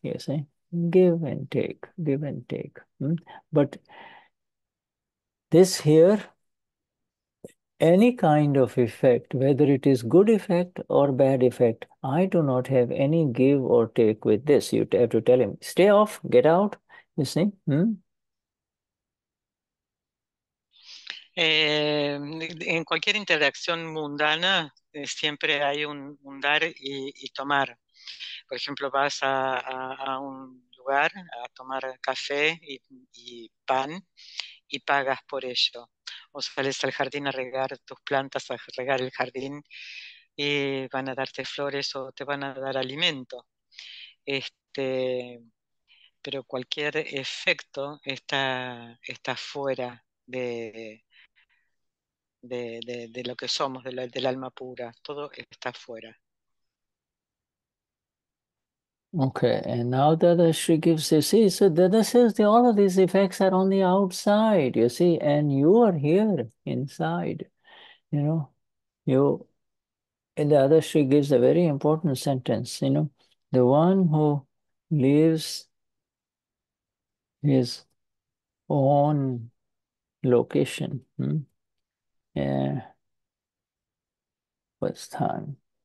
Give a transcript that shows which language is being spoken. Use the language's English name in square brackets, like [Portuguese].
[English] You see, give and take, give and take. But this here, any kind of effect, whether it is good effect or bad effect, I do not have any give or take with this. You have to tell him, stay off, get out, you see. [Spanish] En cualquier interacción mundana siempre hay un dar y tomar. Por ejemplo, vas a un lugar a tomar café y pan y pagas por ello. O sales al jardín a regar tus plantas, a regar el jardín, y van a darte flores o te van a dar alimento. Pero cualquier efecto está fuera de lo que somos, del alma pura. Todo está fuera. [English] Okay, and now Dadashri gives, you see, so Dada says that all of these effects are on the outside, you see, and you are here inside, you know. And Dadashri gives a very important sentence, you know, the one who lives his own location, what's time?